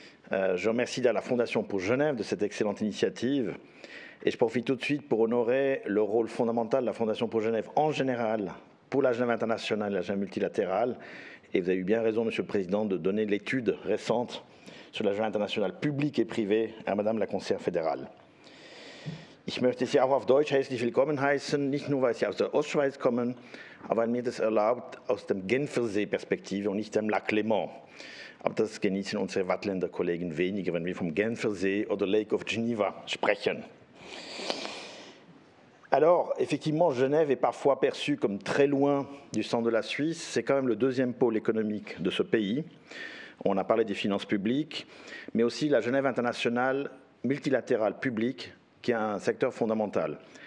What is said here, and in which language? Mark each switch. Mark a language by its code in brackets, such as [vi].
[fr] Je remercie la Fondation pour Genève de cette excellente initiative. Et je profite tout de suite pour honorer le rôle fondamental de la Fondation pour Genève en général, pour la Genève internationale et la Genève multilatérale. Et vous avez eu bien raison, Monsieur le Président, de donner l'étude récente sur la Genève internationale publique et privée à Madame la conseillère fédérale. [de] Ich möchte Sie auch auf Deutsch herzlich willkommen heißen, nicht nur weil Sie aus der Ostschweiz kommen, aber mir das erlaubt aus dem Genfersee-Perspektive und nicht dem Lac Léman. Aber das genießen unsere Wattländer-Kollegen weniger, wenn wir vom Genfersee oder Lake of Geneva sprechen. [fr] Alors, effectivement, Genève est parfois perçue comme très loin du centre de la Suisse. C'est quand même le deuxième pôle économique de ce pays. On a parlé des finances publiques, mais aussi la Genève internationale multilatérale publique, qui est un secteur fondamental.